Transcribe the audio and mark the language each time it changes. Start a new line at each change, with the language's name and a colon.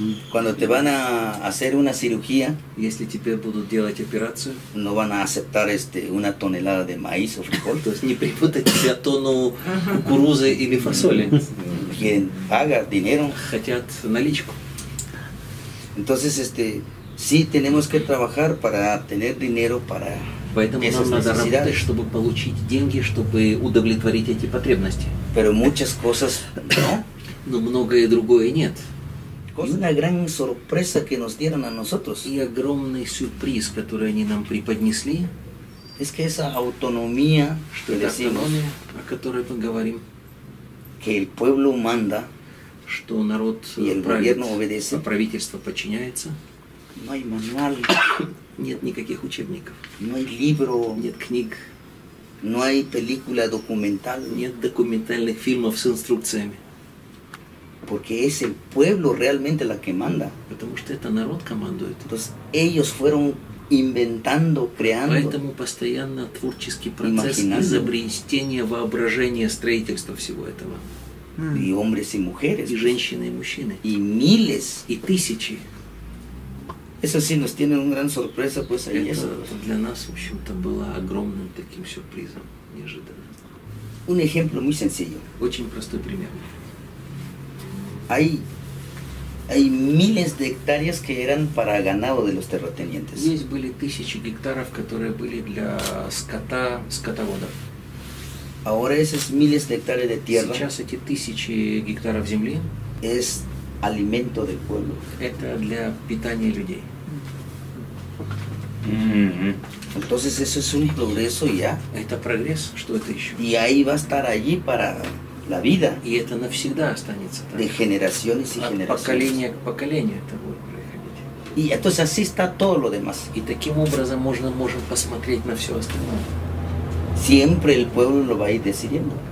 Spanish: Cuando te van a hacer una cirugía,
Russian: если тебе будут делать операцию,
Spanish: no van a aceptar una tonelada de maíz o frijol.
Russian: Не припутать тебя тону кукурузы или фасоли.
Spanish: Quieren pagar dinero.
Russian: Хотят наличку.
Spanish: Entonces, sí tenemos que trabajar para tener dinero para...
Russian: Поэтому нам надо работать, чтобы получить деньги, чтобы удовлетворить эти потребности.
Spanish: Pero muchas cosas, no.
Russian: Но многое другое нет.
Spanish: Una gran sorpresa que nos dieron a nosotros.
Russian: И огромный сюрприз, который они нам преподнесли,
Spanish: es que esa autonomía,
Russian: что эта автономия, о которой мы говорим,
Spanish: que el pueblo manda,
Russian: что народ
Spanish: y el gobierno obedece,
Russian: а правительство подчиняется.
Spanish: No hay manual.
Russian: Нет никаких учебников.
Spanish: No hay libro.
Russian: Нет книг.
Spanish: No hay película documental.
Russian: Нет документальных фильмов с инструкциями.
Spanish: Porque es el pueblo realmente la que manda.
Russian: Потому что это народ командует.
Spanish: Entonces, ellos fueron inventando, creando.
Russian: Поэтому постоянно творческий процесс изобретения, воображения, строительства всего этого.
Spanish: И hombres y mujeres.
Russian: И женщины и мужчины.
Spanish: Y miles.
Russian: И тысячи.
Spanish: Eso sí nos tiene una gran sorpresa, pues ahí eso.
Russian: Для нас, в общем-то, было огромным таким сюрпризом, неожиданно.
Spanish: Un ejemplo muy sencillo.
Russian: Очень простой пример.
Spanish: Hay miles de hectáreas que eran para ganado de los terratenientes.
Russian: Здесь были тысячи гектаров, которые были для скота, скотоводов.
Spanish: Ahora esos miles de hectáreas de tierra.
Russian: Сейчас эти тысячи гектаров земли.
Spanish: Es alimento del pueblo.
Russian: Это для питания людей.
Spanish: Entonces eso es un progreso ya.
Russian: Это прогресс, что это еще?
Spanish: Y ahí va a estar allí para la vida.
Russian: И это навсегда останется.
Spanish: De generaciones y generaciones.
Russian: От поколения к поколению это будет происходить.
Spanish: Y entonces así está todo lo demás.
Russian: И таким образом можем посмотреть на все остальное.
Spanish: Siempre el pueblo lo va a ir decidiendo.